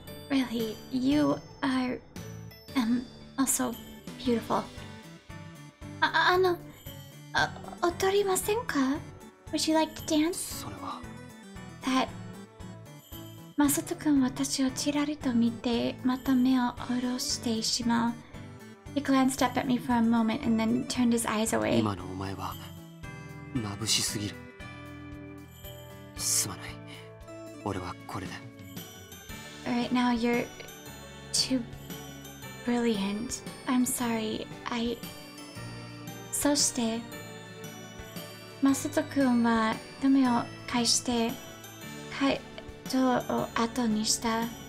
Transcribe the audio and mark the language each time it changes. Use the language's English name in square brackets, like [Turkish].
[English] Really, you are, also beautiful. [Japanese] 踊りませんか? [English] Would you like to dance? [Japanese] それは。 [English] That. [Japanese] マサト君私をちらりと見て、また目を下ろしてしまう。 [English] He glanced up at me for a moment and then turned his eyes away. [Japanese] 今のお前は眩しすぎる。すまない。俺はこれで。 [English] Right now you're too brilliant. I'm sorry. [Japanese] そして、マサト君は止めを返して会場を後にした。